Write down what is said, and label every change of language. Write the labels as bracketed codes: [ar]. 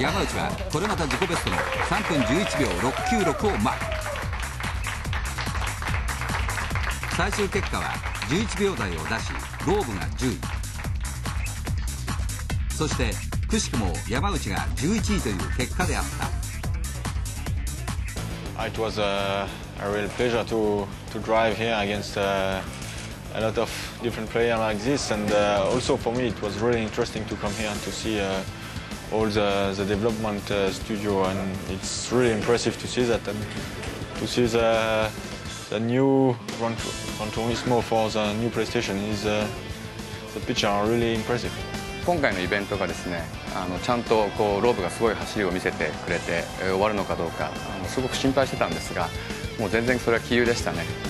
[ja] 山内はこれまた自己ベストの3分11秒696をマーク。最終結果は11秒台を出し、ローブが10位。そしてくしくも山内が11位という結果であった。 [en] It was a real pleasure to drive here against a lot of different players like this, and also for me it was really interesting to come here and to see all the development studio, and it's really impressive to see that and to see the new Gran Turismo for the new PlayStation is the picture are really impressive. [ja] 今回のイベントがですね、ちゃんとこうローブがすごい走りを見せてくれて終わるのかどうか、すごく心配してたんですが、もう全然それは杞憂でしたね。